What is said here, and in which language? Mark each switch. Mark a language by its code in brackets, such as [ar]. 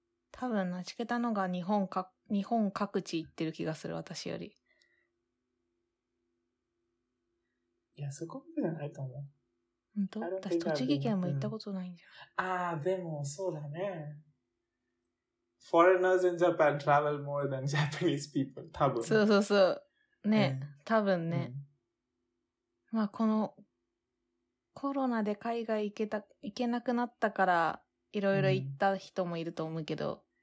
[ja] 多分なちけたのが日本各地行ってる気がする私より。いやそこまでじゃないと思う。本当？私栃木県も行ったことないんじゃん。ああでもそうだね。 [en] Foreigners in Japan travel more than Japanese people, [ja] 多分。そうそうそう。ね、多分ね。まあ、このコロナで海外行けなくなったから、いろいろ行った人もいると思うけど。